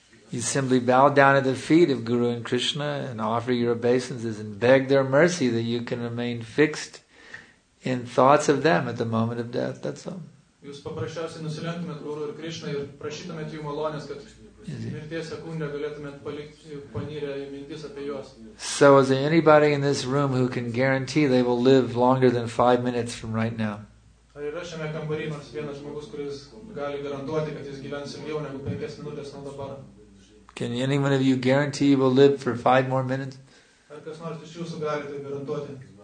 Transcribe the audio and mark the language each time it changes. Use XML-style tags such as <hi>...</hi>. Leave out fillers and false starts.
<en>You simply bow down at the feet of Guru and Krishna and offer your obeisances and beg their mercy that you can remain fixed in thoughts of them at the moment of death. That's all.</en> <lt>Jūs paprasčiausiai nusilenktumėt Guru ir Krishna ir prašytumėt jų malonės, kad mirties sekundę galėtumėt palikti panyrę į mintis apie juos.</lt> <en>So is there anybody in this room who can guarantee they will live longer than 5 minutes from right now?</en> <lt>Ar yra šiame kambarį nors vienas žmogus, kuris gali garantuoti, kad jis gyvens ilgiau negu 5 minutės nuo dabar?</lt> <en>Can anyone of you guarantee you will live for 5 more minutes?</en> <lt>Ar kas nors iš jūsų gali tai garantuoti?</lt>